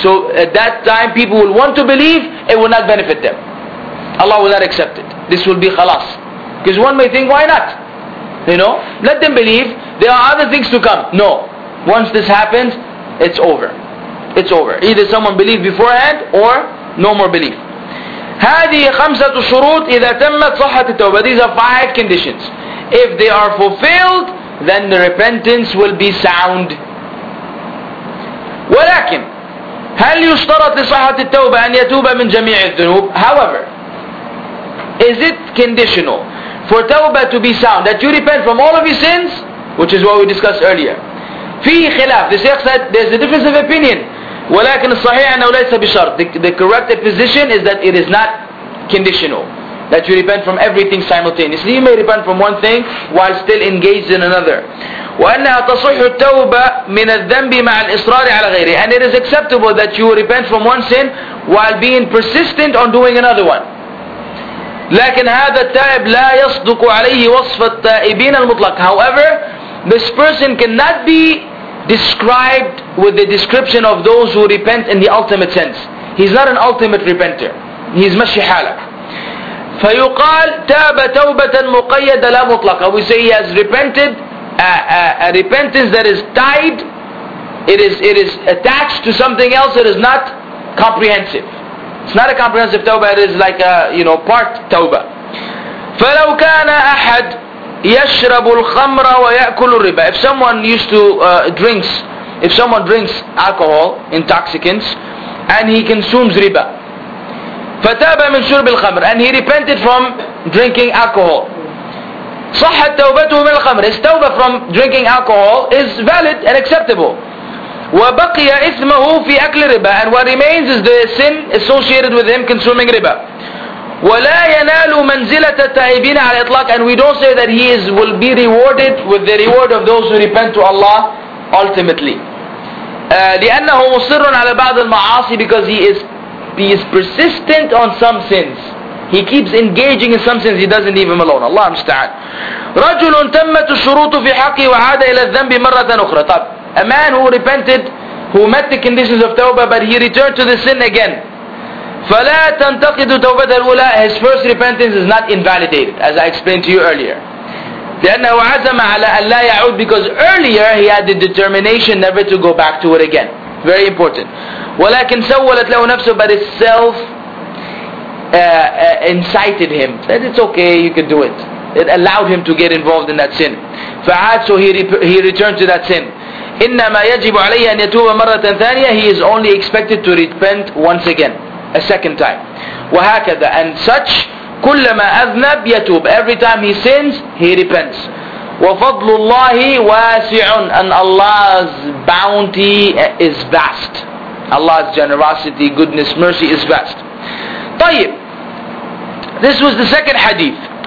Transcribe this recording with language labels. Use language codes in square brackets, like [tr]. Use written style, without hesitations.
[en] So at that time, people will want to believe, it will not benefit them. Allah will not accept it. This will be khalas. Because one may think, why not? You know, let them believe. There are other things to come. No. Once this happens, it's over. It's over. Either someone believed beforehand, or no more belief. [ar] هذه خمسة شروط إذا تمت صحة التوبة. [en] These are five conditions. If they are fulfilled, then the repentance will be sound. [ar] ولكن هل يشترط لصحة التوبة أن يتوب من جميع الذنوب؟ [en] However, is it conditional for tawbah to be sound that you repent from all of your sins, which is what we discussed earlier? [ar] في خلاف, [en] the Sheikh said there's a difference of opinion. [ar] ولكن الصحيح أنه ليس بشرط. [en] The correct position is that it is not conditional that you repent from everything simultaneously. You may repent from one thing while still engaged in another. [ar] وأنها تصح التوبة من الذنب مع الإصرار على غيره. [en] And it is acceptable that you repent from one sin while being persistent on doing another one. [ar] لكن هذا التائب لا يصدق عليه وصف التائبين المطلق. [en] However, this person cannot be described with the description of those who repent in the ultimate sense. He's not an ultimate repenter. [ar] He's مشي حالك. فيقال تاب توبة مقيدة لا مطلقة. [en] We say he has repented a repentance that is tied. It is attached to something else. It is not comprehensive. It's not a comprehensive tawbah, it is like a, you know, part tawbah. [ar] فَلَوْ كَانَ أَحَدْ يَشْرَبُ الْخَمْرَ وَيَأْكُلُ الرِّبَى. [en] If someone used to drinks alcohol, intoxicants, and he consumes riba. [ar] فَتَابَ مِنْ شُرْبِ الْخَمْرِ. [en] And he repented from drinking alcohol. [ar] صَحَّتْ تَوْبَتُهُ مِنْ الْخَمْرِ. [en] His tawbah from drinking alcohol is valid and acceptable. [ar] وبقي إثمه في أكل ربا. [en] And what remains is the sin associated with him consuming riba. [ar] ولا ينال منزلة التائبين على إطلاق. [en] And we don't say that he will be rewarded with the reward of those who repent to Allah ultimately. [ar] لأنه مصر على بعض المعاصي, [en] because he is persistent on some sins. He keeps engaging in some sins. He doesn't leave him alone. Allah مستعان. [ar] رجل تمت الشروط في حقه وعاد إلى الذنب مرة أخرى. [en] طب, a man who repented, who met the conditions of tawbah, but he returned to the sin again. [ar] فَلَا تَنْتَقِدُ تَوْبَةَ الْأُولَى. [en] His first repentance is not invalidated, as I explained to you earlier. [ar] لأنه عَزَمَ عَلَى أَنْ لَا يَعُودُ, [en] because earlier he had the determination never to go back to it again. Very important. [ar] وَلَكِنْ سَوَّلَتْ لَهُ نَفْسُهُ, [en] but itself incited him. Said, it's okay, you can do it. It allowed him to get involved in that sin. فعاد, so he returned to that sin. [ar] إنما يجب عليه أن يتوب مرة ثانية. [en] He is only expected to repent once again, a second time. [ar] وهكذا, [en] and such, [ar] كلما أذنب يتوب. [en] Every time he sins, he repents. [ar] وفضل الله واسع, [en] and Allah's bounty is vast. Allah's generosity, goodness, mercy is vast. طيب, this was the second hadith.